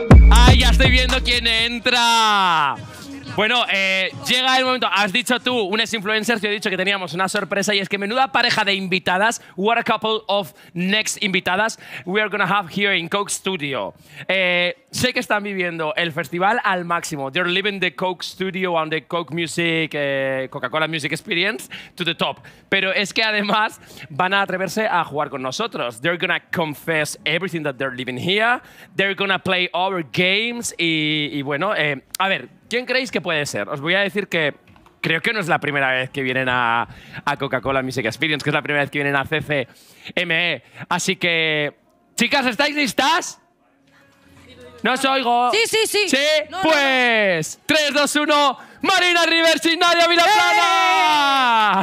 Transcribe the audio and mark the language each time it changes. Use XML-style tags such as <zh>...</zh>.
<es>¡Ay, ya estoy viendo quién entra! Bueno, llega el momento. Has dicho tú, unas influencers, yo he dicho que teníamos una sorpresa y es que menuda pareja de invitadas.</es> <en>What a couple of next invitadas we are gonna have here in Coke Studio.</en> <es>Sé que están viviendo el festival al máximo.</es> <en>They're living the Coke Studio and the Coke Music, Coca-Cola Music Experience to the top.</en> <es>Pero es que además van a atreverse a jugar con nosotros.</es> <en>They're gonna confess everything that they're living here. They're gonna play our games.</en> <es>Y bueno, a ver. ¿Quién creéis que puede ser? Os voy a decir que creo que no es la primera vez que vienen a Coca-Cola Music Experience, que es la primera vez que vienen a CCME. Así que, chicas, ¿estáis listas? ¿No os oigo? Sí, sí, sí. ¿Sí? No, pues, no, no. 3, 2, 1, Marina Rivers y Nadia Vilaplana.</es>